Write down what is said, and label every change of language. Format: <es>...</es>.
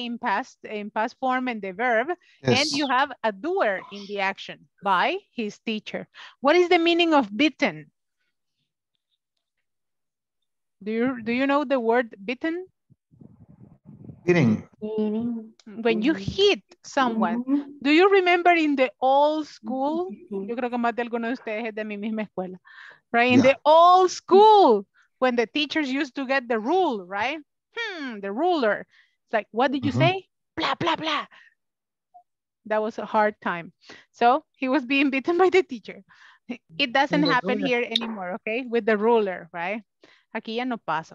<en>In past form and the verb. Yes. And you have a doer in the action by his teacher. What is the meaning of beaten? Do you know the word beaten? Hitting. When you hit someone, do you remember in the old school?</en> <es>Yo creo que más de alguno de ustedes es de mi misma escuela.</es> <en>Right? In yeah the old school, when the teachers used to get the rule, right? The ruler. It's like, what did you say? Blah, blah, blah. That was a hard time. So he was being beaten by the teacher. It doesn't happen here anymore, okay? With the ruler, right?</en> <es>Aquí ya no pasa.</es>